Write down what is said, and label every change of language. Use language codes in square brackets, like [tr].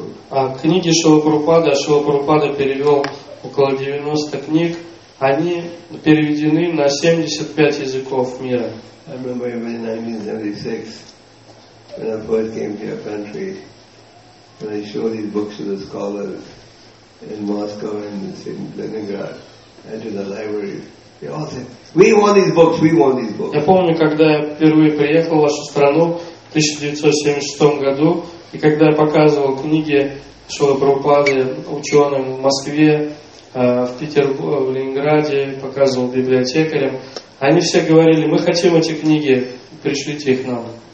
[ru] А книги Шрила Прабхупада перевел около 90 книг, они переведены на 75 языков мира. [en] I remember in 1976, when I first came to your country, when I showed these books to the scholars in Moscow and in Leningrad and to the library. They all said, "We want these books, we want these books." [ru] Я помню, когда я впервые приехал в вашу страну, в 1976 году, и когда я показывал книги Шрилы Прабхупады ученым в Москве, в Петербурге, в Ленинграде, показывал библиотекарям, они все говорили, мы хотим эти книги, пришлите их нам.